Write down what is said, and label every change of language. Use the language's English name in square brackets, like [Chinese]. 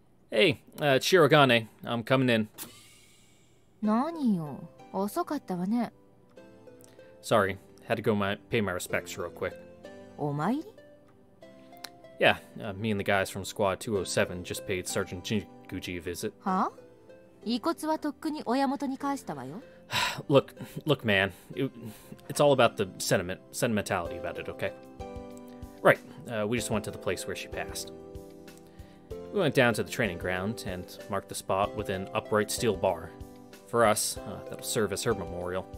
[English] Hey, Chirogane, I'm coming in. [Japanese] 何よ、遅かったわね。 [English] Sorry, had to go pay my respects real quick. [Japanese] お参り？ [English] Yeah, me and the guys from Squad 207 just paid Sergeant Jinguji a visit. Huh? [Japanese] 遺骨はとっくに親元に返したわよ。 [English] Look, man. It's all about the sentimentality about it, okay? Right, we just went to the place where she passed. We went down to the training ground and marked the spot with an upright steel bar. For us, that'll serve as her memorial.